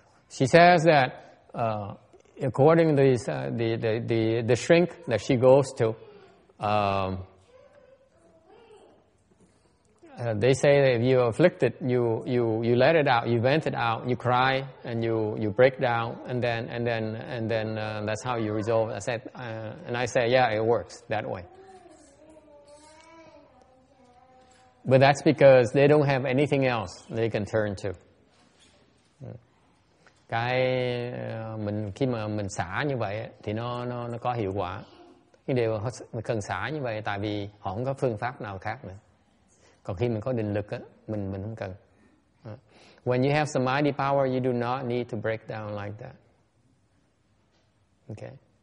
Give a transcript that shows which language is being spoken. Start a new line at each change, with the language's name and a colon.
English: She says that according to this, the shrink that she goes to, they say that if you are afflicted, you let it out, you vent it out, you cry, and you break down, and then that's how you resolve. I said, yeah, it works that way. But that's because they don't have anything else they can turn to.
Vietnamese: Cái mình khi mà mình xả như vậy thì nó có hiệu quả. Cái điều họ cần xả như vậy tại vì họ không có phương pháp nào khác nữa. Còn khi mình có định lực á, mình không cần.
English: When you have some mighty power, you do not need to break down like that. Okay.